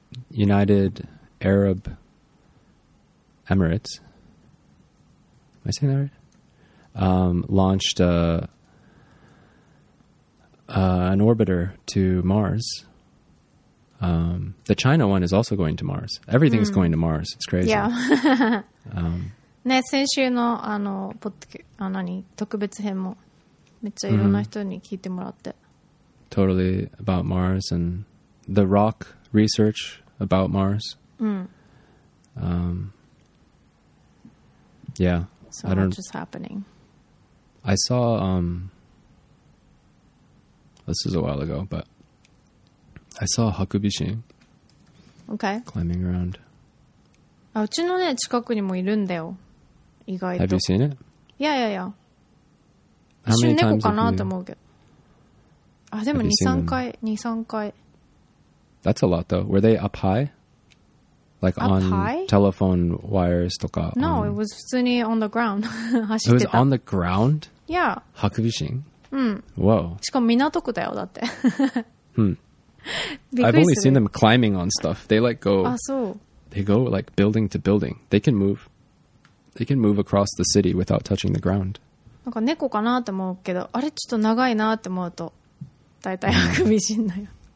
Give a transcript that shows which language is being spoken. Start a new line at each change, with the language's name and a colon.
English: United Arab Emirates. Am I saying that right? Launched an orbiter to Mars. The China one is also going to Mars. Everything's going to Mars. It's crazy. Yeah.
Japanese: ね、先週のあのポッドキャ、あ、何、特別編もめっちゃいろんな人に聞いてもらって、
English: totally about Mars and the rock research about Mars. Mm. Yeah. So I don't, much is happening. I saw, this is a while ago, but I saw Hakubishi. Okay. Climbing around.
Japanese: うちのね、近くにもいるんだよ。意外と。
English: Have you seen it?
Japanese: いやいやいや。一瞬猫かなと思うけど。あ、でも2、3回、2、3回。
English: That's a lot though. Were they up high? Like up on high? Telephone wires
Japanese: とか
English: No, it was 普通に on the ground.
Japanese: 走ってた。
English: It was on the ground? Yeah.
Japanese: ハクビシン? うん。
English: Wow.
Japanese: しかも港区だよ、だって。
English: hmm. I've only seen them climbing on stuff. They like go...
Japanese: あ、そう。
English: They go like building to building. They can move across the city without touching the ground.
Japanese: なんか猫かなって思うけど、あれちょっと長いなって思うと、だいたいハクビシンだよ。